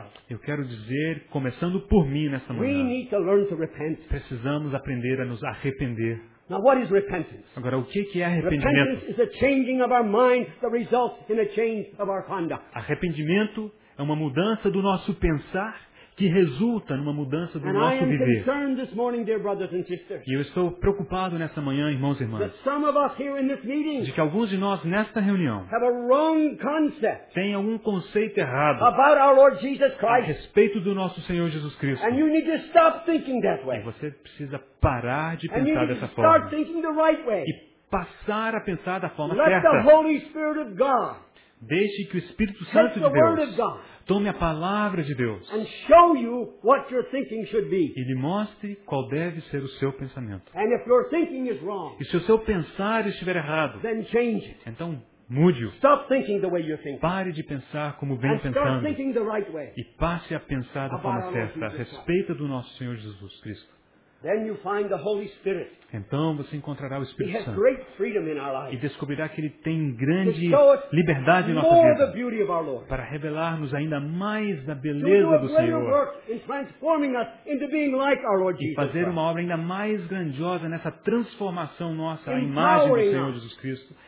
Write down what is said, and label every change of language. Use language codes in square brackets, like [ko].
[pt] eu quero dizer, começando por mim nesta manhã, precisamos aprender a nos arrepender. [en] Now, what is repentance? [pt] Agora, o que é arrependimento? [en] Repentance is a changing of our mind that results in a change of our conduct. [pt] Arrependimento é uma mudança do nosso pensar que resulta numa mudança do [en] and [pt] nosso viver. [en] Concerned this morning, dear brothers and sisters, [pt] e eu estou preocupado nesta manhã, irmãos e irmãs, [en] that some of us here in this meeting, [pt] de que alguns de nós nesta reunião [en] have a wrong concept, [pt] têm algum conceito errado [en] about our Lord Jesus Christ, [pt] a respeito do nosso Senhor Jesus Cristo. [en] And you need to stop thinking that way. [pt] E você precisa parar de pensar [en] and you need to [pt] forma [en] start thinking the right way. [pt] E passar a pensar da forma [en] let [pt] certa. [en] The Holy Spirit of God [pt] deixe que o Espírito Santo de Deus tome a palavra de Deus [en] and show you what your thinking should be. [pt] E lhe mostre qual deve ser o seu pensamento. [en] And if your thinking is wrong, [pt] e se o seu pensar estiver errado, [en] then change it. [pt] Então mude-o. [en] Stop thinking the way you're thinking. [pt] Pare de pensar como vem pensando. [en] Start thinking the right way. [pt] E passe a pensar da forma certa a respeito do nosso Senhor Jesus Cristo. [en] Then you find the Holy Spirit. [pt] Então você encontrará o Espírito [en] he [pt] Santo. [en] Has great freedom in our lives. [pt] E descobrirá que ele tem grande liberdade em nossa vida. [en] The beauty of our Lord. [pt] Para revelar-nos ainda mais da beleza do Senhor. [en] Work in transforming us into being like our Lord Jesus. [pt] E fazer uma obra ainda mais grandiosa nessa transformação nossa à imagem do Senhor Jesus Cristo.